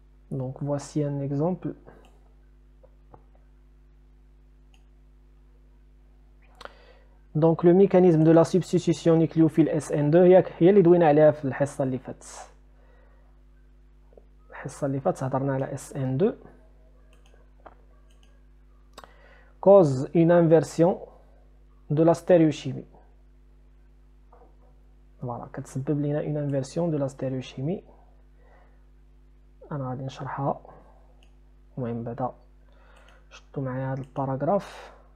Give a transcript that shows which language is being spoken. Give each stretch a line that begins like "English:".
French: Donc, voici un exemple. Donc, le mécanisme de la substitution nucléophile SN2, il y a les deux dans la
Arabic: حصة اللي فاتت. الحصة اللي فاتت هضرنا على SN2.
French: Cause une inversion de la stéréochimie.
Arabic: Voilà, كتسبب لنا
French: une inversion de la stéréochimie.
Arabic: انا غادي نشرحها المهم بعدا شطو معايا هذا الباراغراف